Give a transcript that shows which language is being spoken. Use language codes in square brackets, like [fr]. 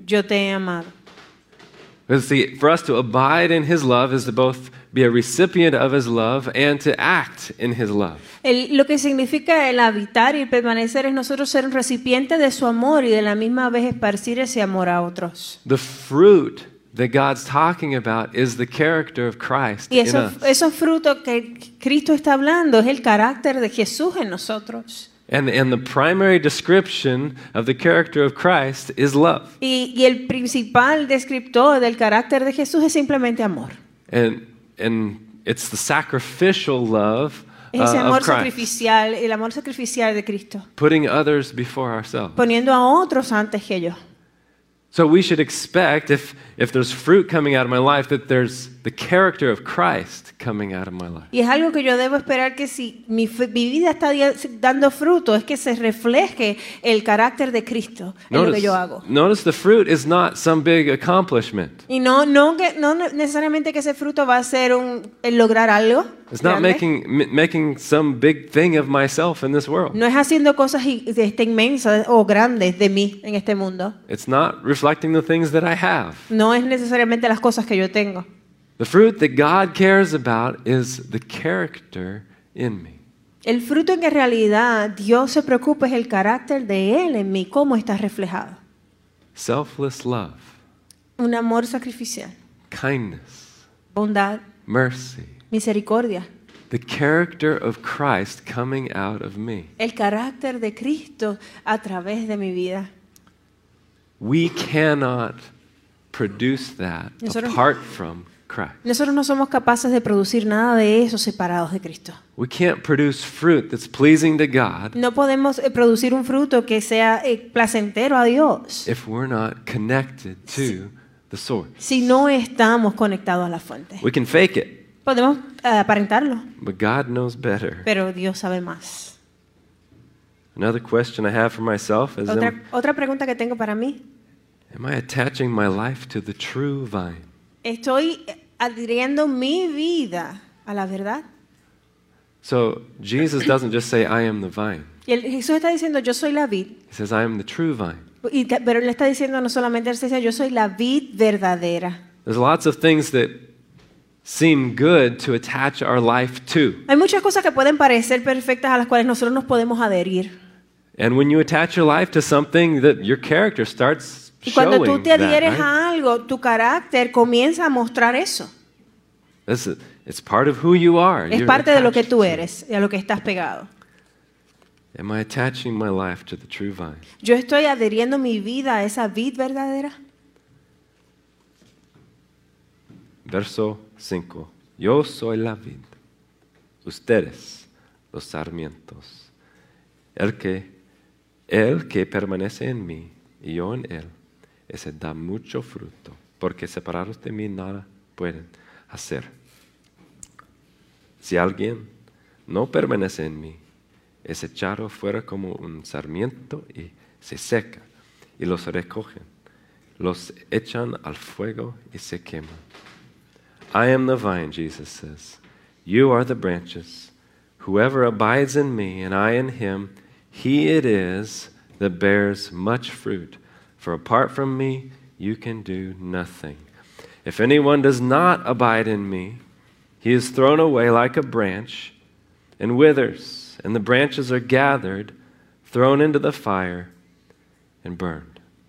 [es] Yo te he amado. [en] But see, for us to abide in His love is to both be a recipient of His love and to act in His love. [es] Lo que significa el habitar y el permanecer es nosotros ser un recipiente de su amor y de la misma vez esparcir ese amor a otros. [en] The fruit that God's talking about is the character of Christ in us. [es] Y esos frutos que Cristo está hablando es el carácter de Jesús en nosotros. [en] And the primary description of the character of Christ is love. [es] Y el principal descriptor del carácter de Jesús es simplemente amor. [en] And it's the sacrificial love [es] es ese amor [en] of Christ. [es] Sacrificial, el amor sacrificial de Cristo. [en] Putting others before ourselves. [es] Poniendo a otros antes que yo. [en] So we should expect if there's fruit coming out of my life that there's the character of Christ coming out of my life. [es] Y es algo que yo debo esperar que si mi vida está dando fruto es que se refleje el carácter de Cristo en lo que yo hago. [en] Notice the fruit is not some big accomplishment. [es] Y no necesariamente que ese fruto va a ser el lograr algo. [en] It's not making some big thing of myself in this world. [es] No es haciendo cosas inmensas o grandes de mí en este mundo. [en] It's not reflecting the things that I have. [es] No es necesariamente las cosas que yo tengo. [en] The fruit that God cares about is the character in me. [es] El fruto en que en realidad Dios se preocupa es el carácter de Él en mí, cómo está reflejado. [en] Selfless love. [es] Un amor sacrificial. [en] Kindness. [es] Bondad. [en] Mercy. [es] Misericordia. [en] The character of Christ coming out of me. [es] El carácter de Cristo a través de mi vida. [en] We cannot produce that apart from Christ. [es] Nosotros no somos capaces de producir nada de eso separados de Cristo. [en] We can't produce fruit that's pleasing to God. [es] No podemos producir un fruto que sea placentero a Dios. [en] If we're not connected to the source. [es] Si no estamos conectados a la fuente. [en] We can fake it. [es] Podemos aparentarlo. [en] But God knows better. [es] Pero Dios sabe más. [en] Another question I have for myself is [es] otra pregunta que tengo para mí. [en] Am I attaching my life to the true vine? [es] Estoy adhiriendo mi vida a la verdad. [en] So Jesus doesn't just say I am the vine. [es] Y Jesús está diciendo yo soy la vid. [en] He says I am the true vine. [es] Pero él está diciendo no solamente él dice yo soy la vid verdadera. [en] There's lots of things that seem good to attach our life to. [es] Hay muchas cosas que pueden parecer perfectas a las cuales nosotros nos podemos adherir. [en] And when you attach your life to something that your character starts [es] y cuando tú te adhieres [en] that, right? [es] a algo, tu carácter comienza a mostrar eso. [en] It's part of who you are. [es] Es parte de lo que tú eres y a lo que estás pegado. [en] Am I attaching my life to the true vine? [es] ¿Yo estoy adhiriendo mi vida a esa vid verdadera? Verso 5. Yo soy la vid. Ustedes, los sarmientos. El que permanece en mí y yo en él. Ese da mucho fruto, porque separados de mí nada pueden hacer. Si alguien no permanece en mí, es echado fuera como un sarmiento y se seca, y los recogen, los echan al fuego y se queman. [en] I am the vine, Jesus says. You are the branches. Whoever abides in me and I in him, he it is that bears much fruit. For apart from me, you can do nothing. If anyone does not abide in me, he is thrown away like a branch and withers, and the branches are gathered, thrown into the fire, and burned.